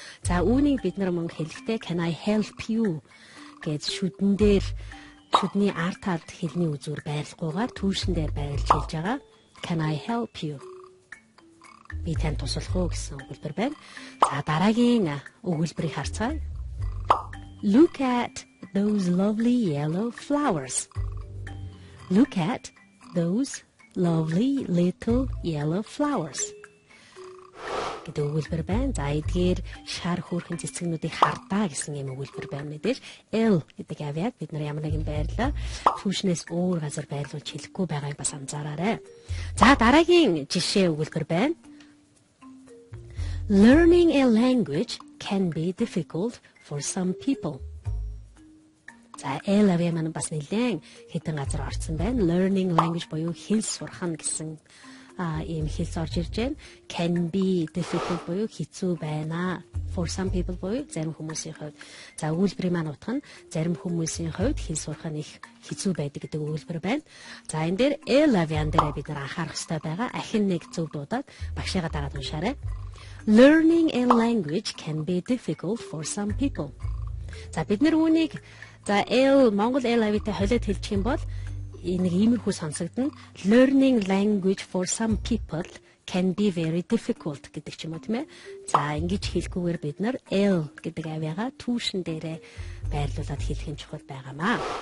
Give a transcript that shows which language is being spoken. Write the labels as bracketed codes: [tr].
[mn] За үүнийг бид нар мөн хэлэхдээ [en] can I help you [mn] гэж шүдэн дээр шүдний ар талд хэлний үзүүр байрлахгүйгээр түүшин дээр байрлаж хэлж байгаа. [en] Can I help you? [mn] Би танд туслах уу гэсэн өгүүлбэр байна. За дараагийн өгүүлбэрийг харцгаая. [en] Look at those lovely yellow flowers. Look at those lovely little yellow flowers. [mn] Гэдэг үгэлбэр байна. За эдгээр шар хөөрхөн цэцгэнүүдийг хардаа гэсэн юм үгэлбэр байна мэдээж. L гэдэг авиаг бид нар ямар нэгэн байрлал түүшнээс өөр газар байрлуулж хэлэхгүй байгааг бас анзаараарай. За дараагийн жишээ үгэлбэр байна. [en] Learning a language can be difficult for some people. [mn] За L авиа маань бас нэлээн хэдэн газар орсон байна. [en] Learning language [mn] буюу хэл сурах нь гэсэн ийм хэл зорж ирж байна. [en] Can be difficult [mn] буюу хэцүү байна. [en] For some people [mn] буюу зарим хүмүүсийн хувьд. За үйлбэрийн маань утга нь зарим хүмүүсийн хувьд хэл сурах нь их хэцүү байдаг гэдэг үйлбэр байна. За энэ дээр L авиан дээр бид нар анхаарах хэрэгтэй байгаа. Ахин нэг зөв дуудаад багшаагаа дараад уншаарай. [en] Learning a language can be difficult for some people. [mn] За бид нар үүнийг За L Монгол L авитай холиод хэлчих юм бол нэг иймэрхүү сонсогдно. [en] Learning language for some people can be very difficult [mn] гэдэг ч юм уу тийм ээ. За ингэж хэлгүүгээр бид нар L гэдэг авиага түүшин дээрээ байрлуулад хэлэх юм чухал байгаамаа.